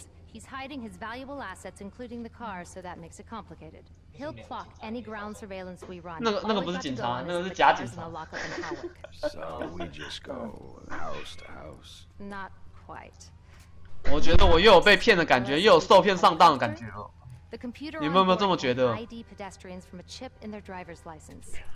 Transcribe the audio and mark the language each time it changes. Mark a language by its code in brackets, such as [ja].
[en] He's hiding his valuable assets, including the car, so that makes it complicated. He'll clock any ground surveillance we run. [zh] 那个不是警察，那个是假警察。 [en] So we just go house to house. Not quite. [zh] 我觉得我又有被骗的感觉，又有受骗上当的感觉了。 [en] The computer on board can ID pedestrians from a chip in their driver's license.